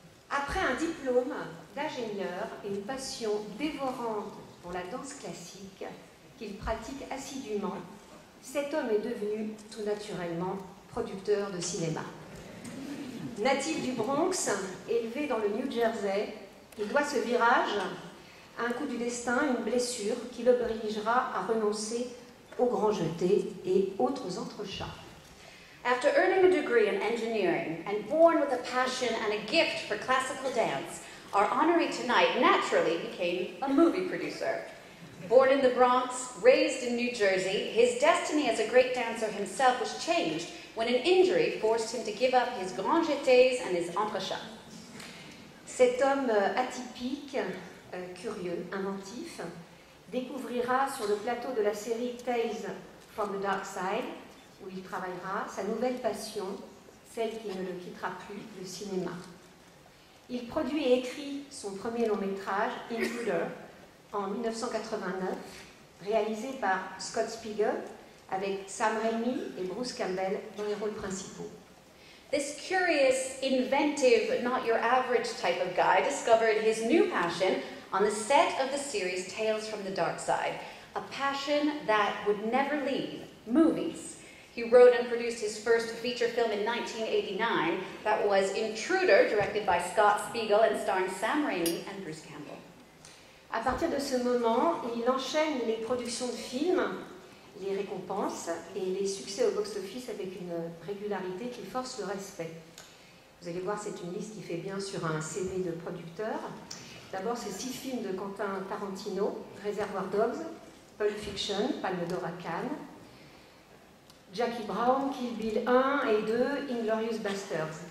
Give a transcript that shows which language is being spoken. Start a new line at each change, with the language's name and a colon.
French: Après un diplôme d'ingénieur et une passion dévorante pour la danse classique qu'il pratique assidûment, cet homme est devenu tout naturellement producteur de cinéma. Natif du Bronx, élevé dans le New Jersey, il doit ce virage à un coup du destin, une blessure qui l'obligera à renoncer au grand jeté et autres entrechats.
English: After earning a degree in engineering and born with a passion and a gift for classical dance, our honoree tonight naturally became a movie producer. Born in the Bronx, raised in New Jersey, his destiny as a great dancer himself was changed when an injury forced him to give up his grand jetés and his entrechats.
French: Cet homme atypique, curieux, inventif, découvrira sur le plateau de la série Tales from the Dark Side, où il travaillera sa nouvelle passion, celle qui ne le quittera plus, le cinéma. Il produit et écrit son premier long métrage, Intruder, en 1989, réalisé par Scott Spiegel, avec Sam Raimi et Bruce Campbell dans les rôles principaux.
English: This curious, inventive, not your average type of guy discovered his new passion on the set of the series Tales from the Dark Side, a passion that would never leave, movies. He wrote and produced his first feature film in 1989, that was Intruder, directed by Scott Spiegel and starring Sam Raimi and Bruce Campbell.
French: À partir de ce moment, il enchaîne les productions de films, les récompenses et les succès au box-office avec une régularité qui force le respect. Vous allez voir, c'est une liste qui fait bien sur un CV de producteur. D'abord, c'est 6 films de Quentin Tarantino, Reservoir Dogs, Pulp Fiction, Palme d'Or à Cannes, Jackie Brown, Kill Bill 1 et 2, Inglourious Basterds.